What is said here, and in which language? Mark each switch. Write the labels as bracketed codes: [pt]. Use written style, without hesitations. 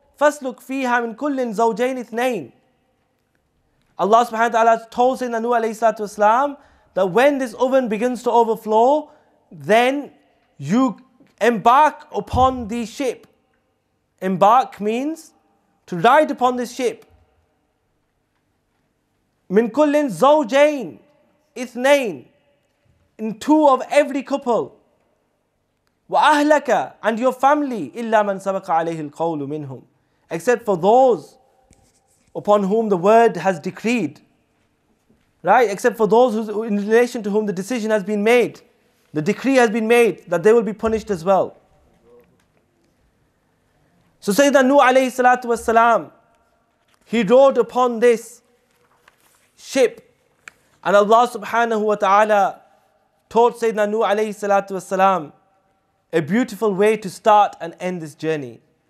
[ar] فَاسْلُكْ فِيهَا مِنْ كُلٍ زَوْجَيْنِ اثْنَيْنِ, [en] Allah subhanahu wa ta'ala told Sayyidina Nuh alayhi salatu wasalam that when this oven begins to overflow, then you embark upon the ship. Embark means to ride upon this ship. [ar] مِنْ كُلِّنْ زَوْجَيْنِ اثْنَيْنِ, [en] in two of every couple. [ar] وَأَهْلَكَ, [en] and your family, [ar] إِلَّا مَنْ سَبَقَ عَلَيْهِ الْقَوْلُ مِنْهُمْ, [en] except for those upon whom the word has decreed. Right? Except for those who, in relation to whom the decision has been made, the decree has been made that they will be punished as well. So Sayyidina Nuh alayhi salatu wasalam, he rode upon this ship, and Allah subhanahu wa ta'ala taught Sayyidina Nuh alayhi salatu wasalam a beautiful way to start and end this journey.